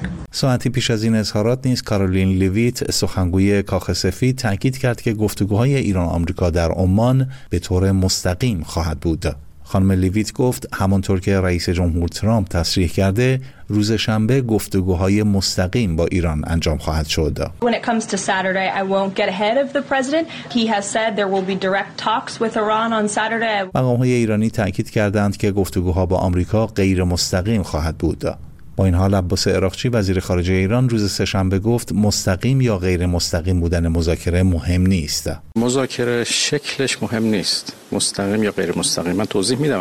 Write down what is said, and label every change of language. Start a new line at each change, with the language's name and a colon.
Persian: ساعتی پیش از این اظهارات نیز کارولین لویت سخنگوی کاخ سفید تاکید کرد که گفتگوهای ایران و آمریکا در عمان به طور مستقیم خواهد بود. خانم لویت گفت همانطور که رئیس جمهور ترامپ تصریح کرده روز شنبه گفتگوهای مستقیم با ایران انجام خواهد شد.
English: When it comes to Saturday I won't get ahead of the president. He has said there will be direct talks with Iran on Saturday.
Persian: مقام‌های ایرانی تاکید کردند که گفتگوها با آمریکا غیر مستقیم خواهد بود. با این حال عباس عراقچی وزیر خارجه ایران روز سه‌شنبه گفت مستقیم یا غیر مستقیم بودن مذاکره مهم نیست. مذاکره شکلش مهم نیست، مستقیم یا غیر مستقیم. من توضیح میدم.